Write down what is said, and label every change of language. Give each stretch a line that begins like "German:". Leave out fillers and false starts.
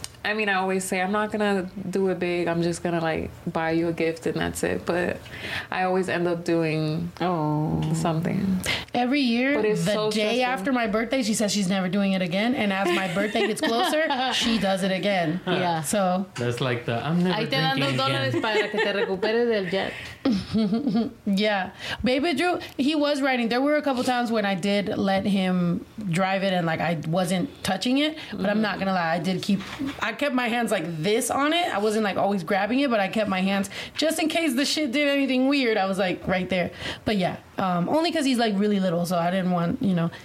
English: I mean, I always say, I'm not going to do it big. I'm just going to, like, buy you a gift and that's it. But I always end up doing something. Every year, the day after my birthday, she says she's never doing it again. And as my birthday gets closer, she does it again. Yeah. So. That's like the, I'm never drinking again.
Spanish: Ahí te dan $2 para que te recuperes del jet.
English: Yeah. Baby Drew, he was riding. There were a couple times when I did let him drive it and, like, I wasn't touching it. But I'm not going to lie. I kept my hands like this on it. I wasn't like always grabbing it, but I kept my hands just in case the shit did anything weird. I was like right there. But yeah, only because he's like really little, so I didn't want, you know.